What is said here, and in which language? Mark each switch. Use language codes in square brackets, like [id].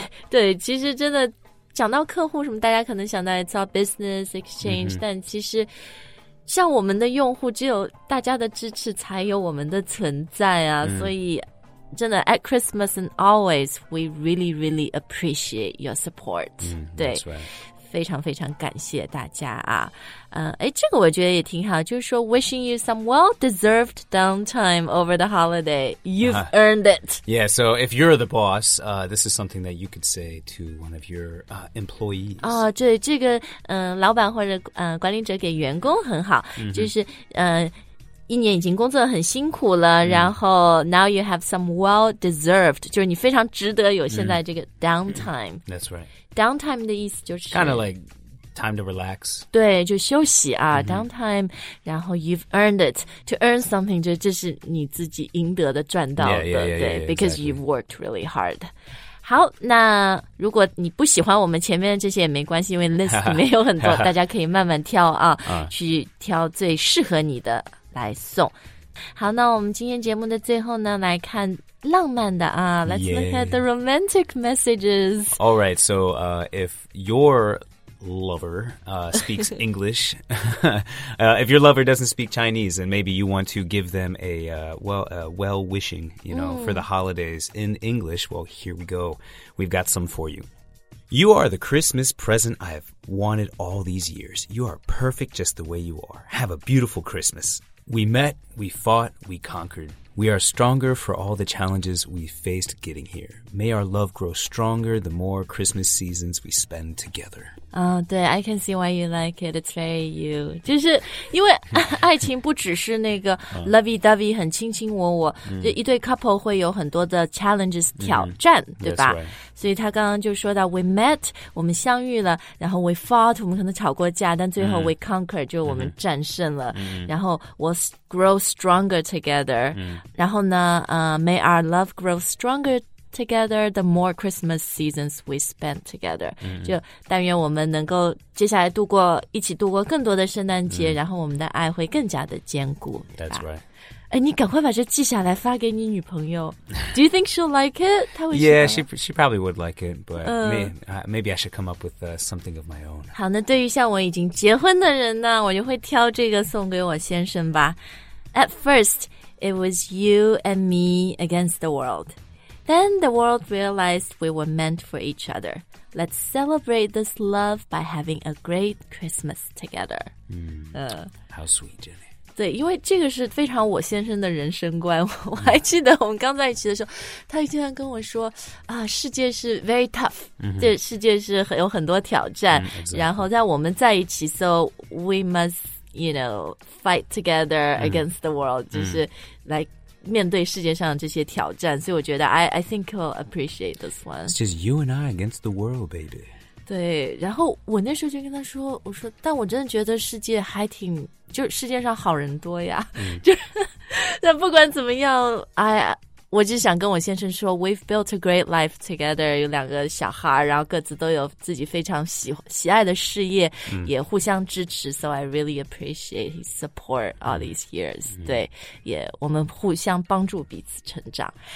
[zh] 对其实真的讲到客户什么大家可能想到 [en] it's all business exchange [zh] 但其实像我们的用户只有大家的支持才有我们的存在啊所以真的 [en] at Christmas and always we really really appreciate your support [zh] 对、 [en] right. [zh] 非常非常感谢大家啊这个我觉得也挺好就是说 [en] wishing you some well-deserved downtime over the holiday. You've earned it. Yeah, so if you're the boss, this is something that you could say to one of your employees. [zh] 对这个老板或者管理者给员工很好就是一年已经工作很辛苦了然后 [en] now you have some well-deserved, [zh] 就是你非常值得有现在这个 downtime. [en] That's right. [zh] Downtime 的意思就是 [en] kind of like,Time to relax. [zh] 对就休息啊、downtime, 然后 [en] you've earned it. To earn something, [zh] 就这是你自己赢得的赚到的 [en] yeah, because you've worked really hard. [zh] 好那如果你不喜欢我们前面这些也没关系因为 list 里面有很多大家可以慢慢挑啊去挑最适合你的来送。好，那我们今天节目的最后呢，来看浪漫的啊。 [en] Let's look at the romantic messages. All right, so if your lover speaks English, if your lover doesn't speak Chinese, then maybe you want to give them a well-wishing, you know, for the holidays in English. Well, here we go. We've got some for you. You are the Christmas present I've wanted all these years. You are perfect just the way you are. Have a beautiful Christmas. We met, we fought, we conquered. We are stronger for all the challenges we faced getting here. May our love grow stronger the more Christmas seasons we spend together. 对 I can see why you like it. It's very you. [zh] 就是因为爱情不只是那个 lovey-dovey 很卿卿我我、就一对 couple 会有很多的 challenges 挑战、对吧、 [en] right. [zh] 所以他刚刚就说到 [en] we met, [zh] 我们相遇了然后 [en] we fought, [zh] 我们可能吵过架但最后 [en] we conquered, [zh] 就我们战胜了、然后 [en] we'll grow stronger together,、 [zh] 然后呢、 [en] may our love grow stronger together the more Christmas seasons we spend together、 [zh] 就但愿我们能够接下来度过一起度过更多的圣诞节、然后我们的爱会更加的坚固 [en] That's right [zh] 你赶快把这记下来发给你女朋友 [en] Do you think she'll like it? [zh] 她会喜 [en] 欢 Yeah, she probably would like it But、maybe I should come up with something of my own [zh] 好那对于像我已经结婚的人呢我就会挑这个送给我先生吧 [en] At first it was you and me against the worldThen the world realized we were meant for each other. Let's celebrate this love by having a great Christmas together.、 How sweet, Jenny. [zh] 对，因为这个是非常我先生的人生观。我还记得我们刚在一起的时候，他经常跟我说啊，世界是 [en] very tough， [zh] 这、世界是很有很多挑战。然后在我们在一起 [en] ，so we must, you know, fight together against the world.、就是 like. [zh] 面对世界上这些挑战所以我觉得 [en] I think I'll appreciate this one It's just you and I against the world, baby [zh] 对然后我那时候就跟他说我说但我真的觉得世界还挺就世界上好人多呀、就那不管怎么样我只想跟我先生说 [en] We've built a great life together [zh] 有两个小孩然后各自都有自己非常 喜爱的事业、也互相支持 [en] So I really appreciate his support all these years、 [zh] 对也我们互相帮助彼此成长